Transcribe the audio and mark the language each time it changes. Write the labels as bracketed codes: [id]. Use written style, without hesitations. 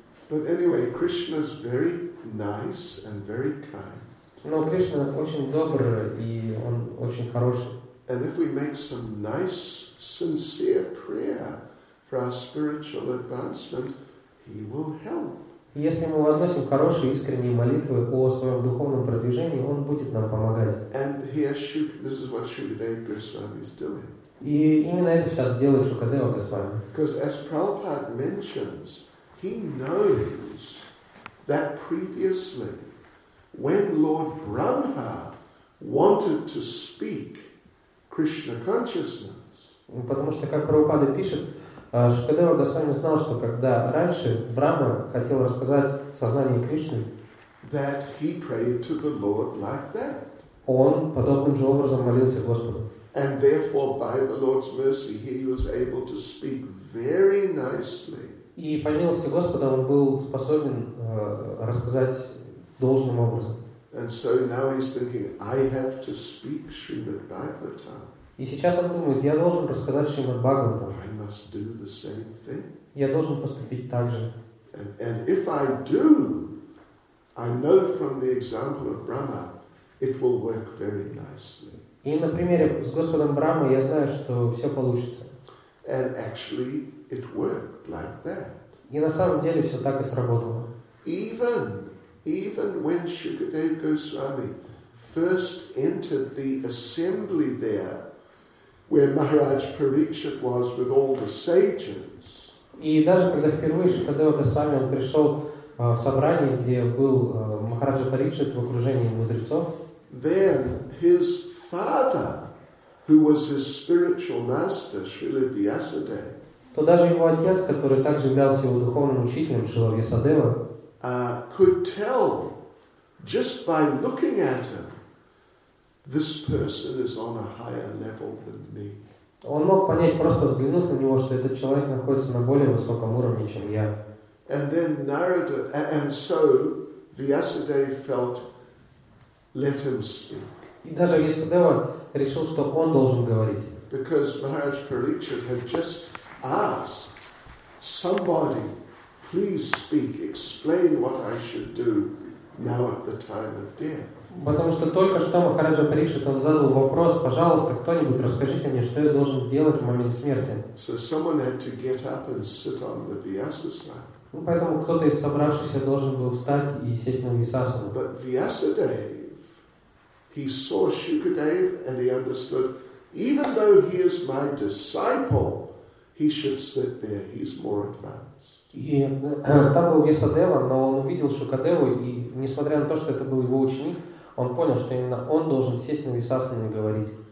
[en] But anyway, Krishna is very nice and very kind. [ru] Но Кришна очень добр и он очень хороший. [en] And if we make some nice, sincere prayer. For our spiritual advancement, he will help. [ru] Если мы возносим хорошие искренние молитвы о своем духовном продвижении, он будет нам помогать. [en] And this is what Shukadeva Goswami is doing. [ru] И именно это сейчас делает Шукадева Госвами. [en] Because as Prabhupada mentions, he knows that previously, when Lord Brahma wanted to speak Krishna consciousness. [ru] Потому что, как Прабхупада пишет, Шукадева Госвами знал, что когда раньше Брахма хотел рассказать сознание Кришны, [en] that he prayed to the Lord like that. [ru] Он подобным же образом молился Господу. [en] And therefore, by the Lord's mercy, he was able to speak very nicely. [ru] И по милости Господа он был способен рассказать должным образом. [en] And so now he's thinking, I have to speak Srimad Bhagavatam. [ru] И сейчас он думает, я должен рассказать Шримад Бхагаватам. [en] I must do the same thing. [ru] Я должен поступить так же. [en] And if I do, I know from the example of Brahma, it will work very nicely. [ru] И на примере с Господом Брахмой я знаю, что все получится. [en] And actually, it worked like that. [ru] И на самом деле все так и сработало. [en] Even when Shukadeva Goswami first entered the assembly there, where Maharaj Parikshit was with all the sages. [ru] И даже когда впервые Шукадева Госвами он пришел в собрание, где был Махараджа Парикшит в окружении мудрецов. [en] Then his father, who was his spiritual master, Шрила Вьясадева. [ru] То даже его отец, который также являлся его духовным учителем, Шрила Вьясадева, [en] could tell just by looking at him This person is on a higher level than me. [ru] Он мог понять, просто взглянув на него, что этот человек находится на более высоком уровне, чем я. [en] And then Narada, and so Vyasadeva felt, let him speak. [ru] И даже Ясадева решил, что он должен говорить. [en] Because Maharaj Parikshit had just asked somebody, please speak, explain what I should do now at the time of death. [ru] Потому что только что Махараджа Парикшит он задал вопрос, пожалуйста, кто-нибудь расскажите мне, что я должен делать в момент смерти. [en] So someone had to get up and sit on the Vyasasana. [ru] Ну, поэтому кто-то из собравшихся должен был встать и сесть на Висасану. [en] But Vyasadeva, he saw Shukadev and he understood, even though he is my disciple, he should sit there, he's more advanced. [ru] И там был Ясадева, но он увидел Шукадеву, и несмотря на то, что это был его ученик, он понял, что именно он должен сесть на Висасану и говорить.